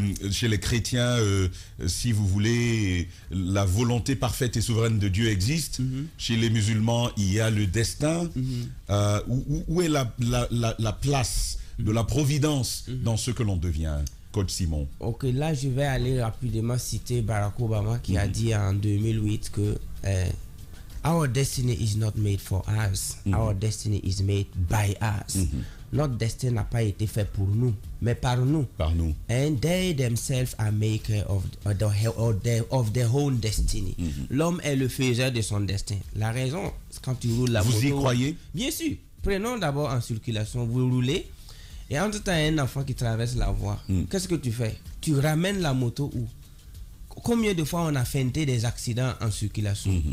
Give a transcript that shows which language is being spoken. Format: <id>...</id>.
<fr>Chez les chrétiens, si vous voulez, la volonté parfaite et souveraine de Dieu existe. Chez les musulmans, il y a le destin. Où est la place de la providence dans ce que l'on devient, coach Simon? Ok, là je vais aller rapidement citer Barack Obama, qui a dit en 2008 que...</fr> <en>Our destiny is not made for us. Our destiny is made by us.</en> <fr>Notre destin n'a pas été fait pour nous, mais par nous. Par nous.</fr> <en>And they themselves are makers of their own destiny.</en> <fr>L'homme est le faiseur de son destin. La raison, c'est quand tu roules la moto. Vous y croyez? Bien sûr. Prenons d'abord en circulation. Vous roulez et entre temps, un enfant qui traverse la voie. Qu'est-ce que tu fais? Tu ramènes la moto où? Combien de fois on a feinté des accidents en circulation?</fr>